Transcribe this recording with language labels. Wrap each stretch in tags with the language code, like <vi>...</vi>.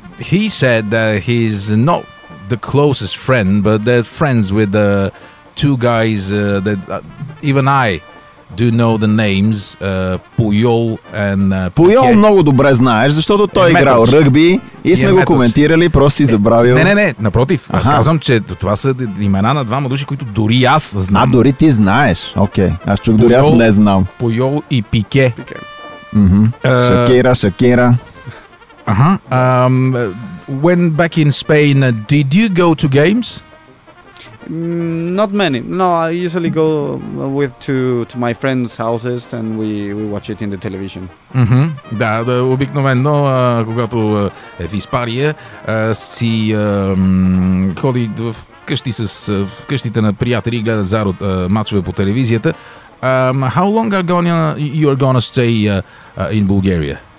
<en>He said that he's not the closest friend, but they're friends with the two guys that even I do know the names, Puyol and Puyol.</en> <bg>Много добре знаеш, защото той е играл ръгби и сме го коментирали, просто си забравил. Не, напротив, аз казвам, че това са имена на двама души, които дори аз знам. А, дори ти знаеш, окей, аз чух дори аз не знам. Puyol и Пике. Шакира. Uh-huh.</bg> <en>When back in Spain, did you go to games? Not many. No, I usually go with to my friends' houses and we watch it in the television. Mm-hmm.</en> <bg>Да, обикновено, когато е в Испания, си ходи в къщите на приятели и гледат зарод мачове по телевизията.</bg> <en>How long are you gonna stay in Bulgaria?</en>